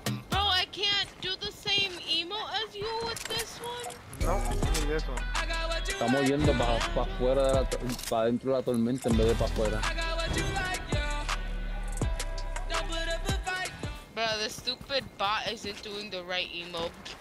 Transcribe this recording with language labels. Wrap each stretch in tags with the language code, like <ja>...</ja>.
<en>Bro, I can't do the same emote as you with this one.</en> <es>No, ni de eso. Estamos yendo pa fuera de la pa dentro de la tormenta en vez de pa fuera.</es> <en>Bro, the stupid bot isn't doing the right emote.</en>